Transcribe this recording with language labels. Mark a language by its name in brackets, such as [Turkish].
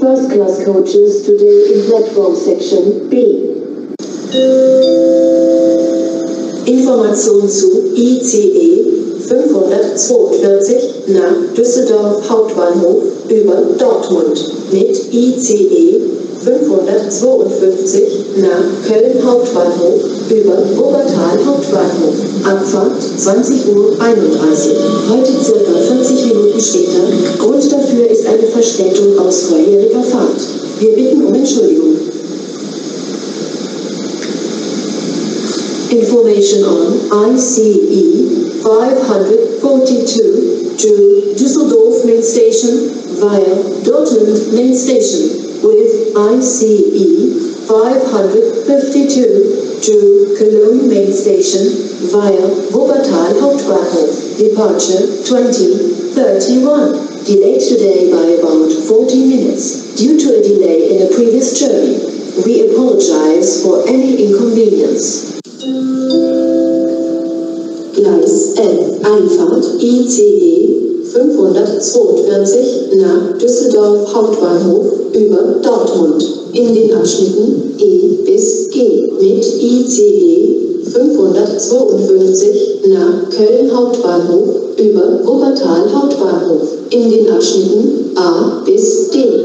[English] First class coaches today in platform section B. [German] Information zu ICE 542 nach Düsseldorf Hauptbahnhof über Dortmund mit ICE 552 nach Köln Hauptbahnhof über Wuppertal Hauptbahnhof. Abfahrt 20.31 Uhr. Heute ca. 50 Minuten später. Grund dafür ist eine Verspätung aus vorheriger Fahrt. Wir bitten um Entschuldigung. [English] Information on ICE 542 to Düsseldorf Main Station via Dortmund Main Station with ICE 552 to Cologne Main Station via Wuppertal Hauptbahnhof. Departure 20.31. Delayed today by about 40 minutes due to a delay in a previous journey. We apologize for any inconvenience. [German] Gleis 11, Einfahrt ICE 542 nach Düsseldorf Hauptbahnhof über Dortmund in den Abschnitten E bis G mit ICE 552 nach Köln Hauptbahnhof über Wuppertal Hauptbahnhof in den Abschnitten A bis D.